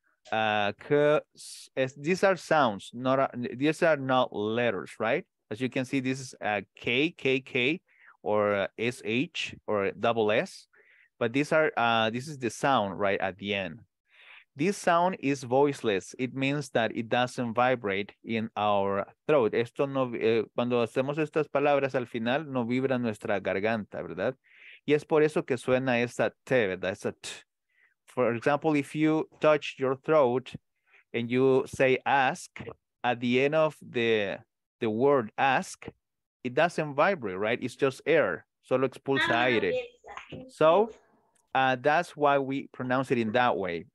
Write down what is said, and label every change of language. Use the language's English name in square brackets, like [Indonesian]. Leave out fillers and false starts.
[English] These are sounds, these are not letters, right? As you can see, this is a K, K, K, or SH, or double S. But these are this is the sound right at the end. This sound is voiceless. It means that it doesn't vibrate in our throat. [Spanish] Esto no, cuando hacemos estas palabras al final, no vibra nuestra garganta, ¿verdad? Y es por eso que suena esta T, ¿verdad? Esa T. [English] For example, if you touch your throat and you say ask, at the end of the word ask, it doesn't vibrate, right? It's just air. [Spanish] Solo expulsa aire. [English] So that's why we pronounce it in that way.